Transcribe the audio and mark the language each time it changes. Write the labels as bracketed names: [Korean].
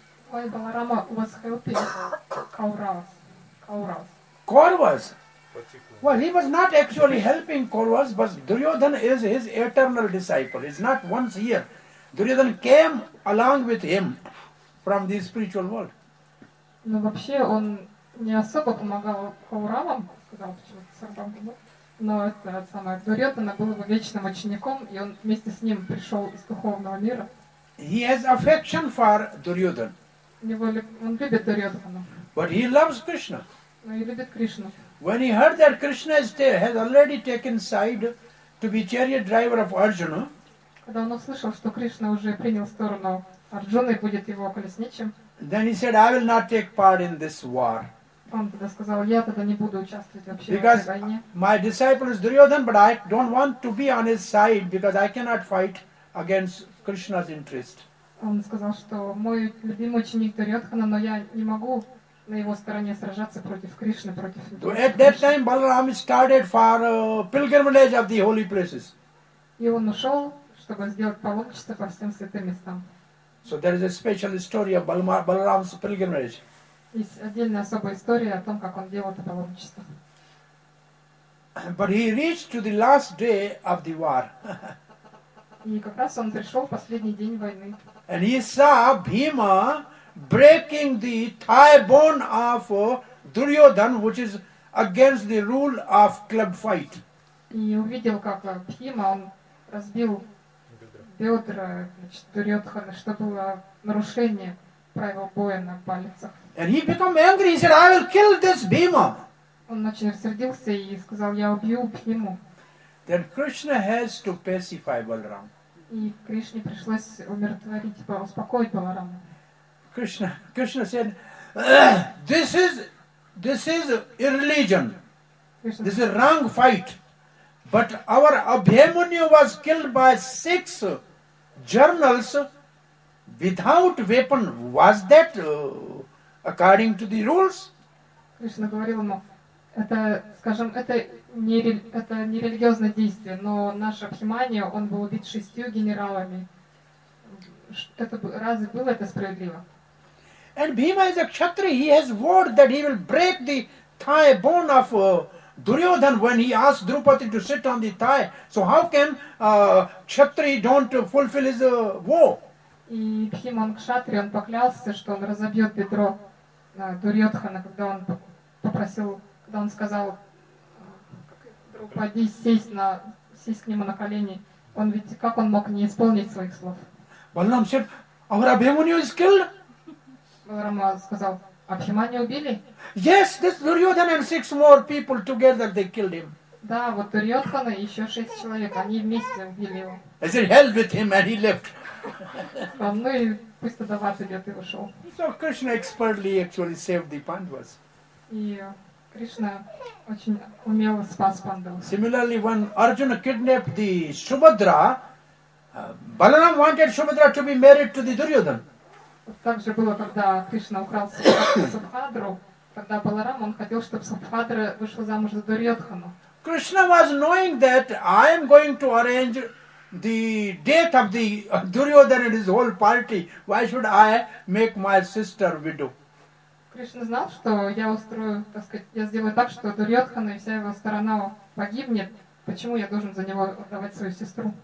[English] Why Balarama was helping Kauravas? Kauravas? Well, he was not actually helping Kauravas, but Duryodhana is his eternal disciple. It's not once here. Duryodhana came along with him from the spiritual world. [Russian] Но вообще он не особо помогал Кауравам, сказал почему-то Сарбам, но это самое Дурьотана был его вечным учеником, и он вместе с ним пришел из духовного мира. [English] He has affection for Duryodhana. [Russian] Он любит Дурьотана. [English] But he loves Krishna. [Russian] Но и любит Кришну. [English] When he heard that Krishna has already taken side to be chariot driver of Arjuna, [Russian] когда он услышал, что Кришна уже принял сторону Арджуны, будет его колесничим. [English] Then he said, I will not take part in this war. [Russian] Он тогда сказал, я тогда не буду участвовать вообще [English] because [Russian] в этой войне. [English] Because my disciple is Duryodhana, but I don't want to be on his side because I cannot fight against Krishna's interest. [Russian] Он сказал, что мой любимый ученик Дурьотхана, но я не могу на его стороне сражаться против Кришны, против [English] so At that time, Balaram started for pilgrimage of the holy places. [Russian] И он ушел, чтобы сделать паломничество по всем святым местам. [English] So there is a special story of Balaram's pilgrimage. [Russian] Есть отдельная особая история о том, как он делал это паломничество. [English] But he reached to the last day of the war. [Russian] И как раз он пришел в последний день войны. [English] And he saw Bhima breaking the thigh bone of Duryodhana, which is against the rule of club fight. [Russian] И увидел, как Бхима он разбил бедра, значит, Дурьотхана, что было нарушение правил боя на пальцах. [English] And he became angry. He said, "I will kill this Bhima." [Russian] Он очень рассердился и сказал, "Я убью Бхиму." [English] Then Krishna has to pacify Balaram. [Russian] И Кришне пришлось умиротворить, успокоить Баларама. [English] Krishna said, "This is irreligion. This is wrong fight." But our Abhimanyu was killed by 6 generals without weapon. Was that according to the rules? [Russian] Кришна говорил ему, это, скажем, это не религиозное действие, но наш Абхимания, он был убит 6 генералами. Это, разве было это справедливо? [English] And Bhima is a kshatri. He has word that he will break the thigh bone of Duryodhana when he asked Drupadi to sit on the thigh. So how can Kshatri don't fulfill his vow? [Russian] И Бхима, он кшатри, он поклялся, что он разобьет бедро Дурьотхана, когда он попросил, когда он сказал Друпади сесть к нему на колени. Он ведь, как он мог не исполнить своих слов? [English] Баларама said, our Abhimanyu is killed. [Russian] Баларама сказал, Абхиманию убили? [English] Yes, this Duryodhana and 6 more people together they killed him. [Russian] Да, вот Дурьотхана и еще 6 человек, они вместе убили его. [English] I said, hell with him, and he left. [Russian] Ну и пусть тогда в ад идет и ушел. [English] So Krishna expertly actually saved the Pandavas. [Russian] И Кришна очень умело спас Пандаву. [English] Similarly, when Arjuna kidnapped the Subhadra, Balaram wanted Subhadra to be married to the Duryodhana. [Russian] Так же было, когда Кришна украл Субхадру, тогда Баларам, он хотел, чтобы Субхадра вышла замуж за Дурьотхану. [English] Krishna was knowing that I am going to arrange the death of the Duryodhana and his whole party, why should I make my sister widow? [Russian] Кришна знал, что я устрою, так сказать, я сделаю так, что Дурьотхана и вся его сторона погибнет. Почему я должен за него отдавать свою сестру?